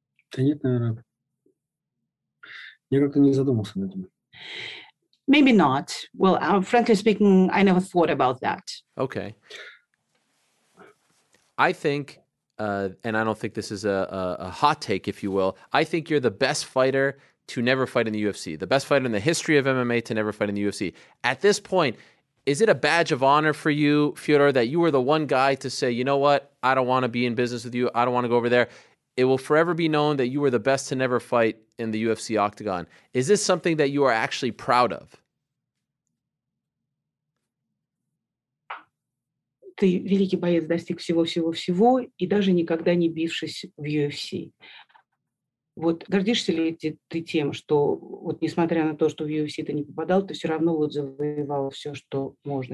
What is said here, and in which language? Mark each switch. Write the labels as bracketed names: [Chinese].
[Russian] Да нет, наверное. Я как-то не задумался над этим. [English] Maybe not. Well, frankly speaking, I never thought about that. Okay. I think, and I don't think this is a hot take, if you will, I think you're the best fighter to never fight in the UFC, the best fighter in the history of MMA to never fight in the UFC. At this point, is it a badge of honor for you, Fyodor, that you were the one guy to say, you know what, I don't want to be in business with you, I don't want to go over there? It will forever be known that you were the best to never fight in the UFC octagon. Is this something that you are actually proud of? [Russian] Ты великий боец, достиг всего-всего-всего, и даже никогда не бившись в UFC. Вот гордишься ли ты тем, что вот несмотря на то, что в UFC ты не попадал, ты все равно вот завоевал все, что можно?